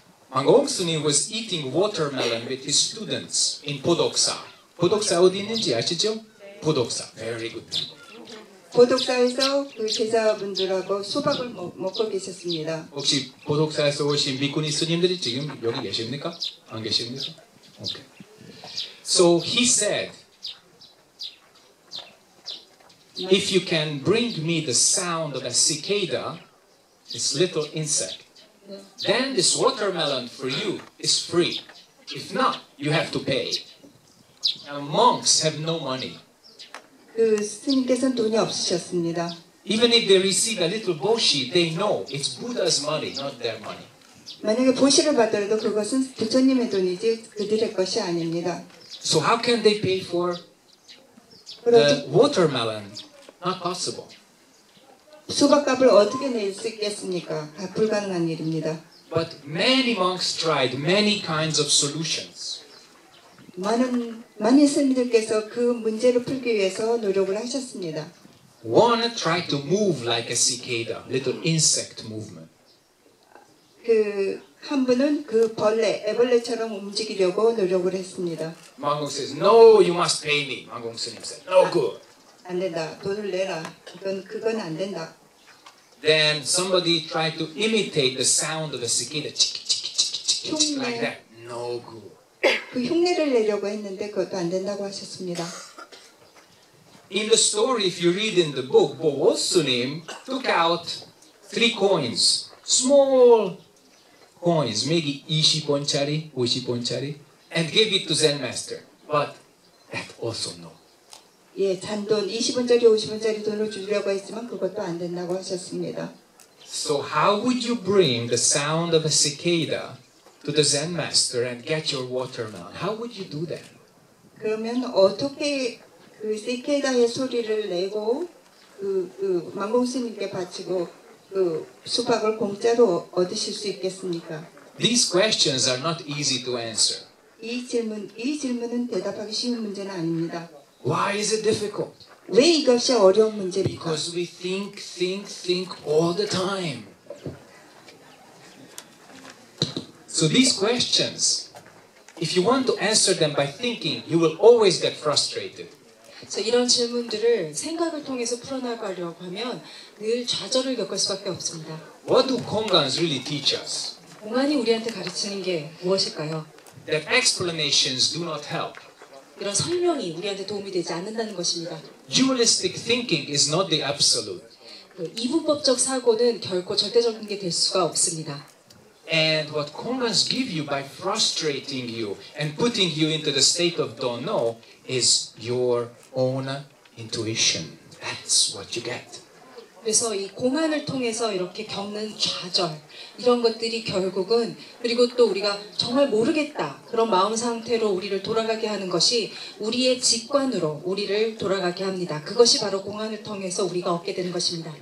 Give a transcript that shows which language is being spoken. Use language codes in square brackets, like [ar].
[en] Hwang Gongsu-nim was eating watermelon with his students in Podoksa. [ko] Podoksa 어디 있는지 아시죠? 보독사. [en] Very good. [ko] 보독사에서 그 제자분들하고 수박을 먹고 계셨습니다. 혹시 보독사에서 오신 비꾸니 스님들이 지금 여기 계십니까? 안 계십니까? Okay. [en] So he said, If you can bring me the sound of a cicada, this little insect, then this watermelon for you is free. If not, you have to pay. Now monks have no money. [ko] 그 스님께서는 돈이 없으셨습니다. [en] Even if they receive a little boshi, they know it's Buddha's money, not their money. [ko] 만약에 보시를 받더라도 그것은 부처님의 돈이지 그들의 것이 아닙니다. [en] So how can they pay for the watermelon? Not possible. [ko] 수박값을 어떻게 낼 수 있겠습니까? 불가능한 일입니다. [en] But many monks tried many kinds of solutions. [ko] 많은 스님들께서 그 문제를 풀기 위해서 노력을 하셨습니다. [en] One tried to move like a cicada, little insect movement. [ko] 그 한 분은 그 벌레, 애벌레처럼 움직이려고 노력을 했습니다. [en] Hwang Gongsu-nim says, No, you must pay me. Hwang Gongsu-nim said, No good. [ko] 안 된다. 돈을 내라. 그건 안 된다. [en] Then somebody tried to imitate the sound of the cicada, like that. No good. [ko] 그 흉내를 내려고 했는데 그것도 안 된다고 하셨습니다. [en] In the story, if you read in the book, Hwang Gongsu-nim took out 3 coins, small coins, maybe [ko] 20원짜리, 50원짜리, [en] and gave it to Zen Master. But that also no. [ko] 예, 잔돈 20원짜리, 50원짜리 돈을 주려고 했지만 그것도 안 된다고 하셨습니다. [en] So how would you bring the sound of a cicada to the Zen master and get your watermelon? How would you do that? [ko] 그러면 어떻게 그 시케다의 소리를 내고 그 망공스님께 바치고 그 수박을 공짜로 얻으실 수 있겠습니까? [en] These questions are not easy to answer. [ko] 이 질문은 대답하기 쉬운 문제는 아닙니다. [en] Why is it difficult? [ko] 왜 이것이 어려운 문제입니까? [en] Because we think all the time. So these questions, if you want to answer them by thinking, you will always get frustrated. [ko] 이런 질문들을 생각을 통해서 풀어나가려고 하면 늘 좌절을 겪을 수밖에 없습니다. [en] What do Kongans really teach us? [ko] 공안이 우리한테 가르치는 게 무엇일까요? [en] That explanations do not help. [ko] 이런 설명이 우리한테 도움이 되지 않는다는 것입니다. [en] Dualistic thinking is not the absolute. [ko] 이분법적 사고는 결코 절대적인 게 될 수가 없습니다. [en] And what Kongans give you by frustrating you and putting you into the state of don't know is your own intuition. That's what you get. [ko] 그래서 이 공안을 통해서 이렇게 겪는 좌절 이런 것들이 결국은 그리고 또 우리가 정말 모르겠다 그런 마음 상태로 우리를 돌아가게 하는 것이 우리의 직관으로 우리를 돌아가게 합니다. 그것이 바로 공안을 통해서 우리가 얻게 되는 것입니다.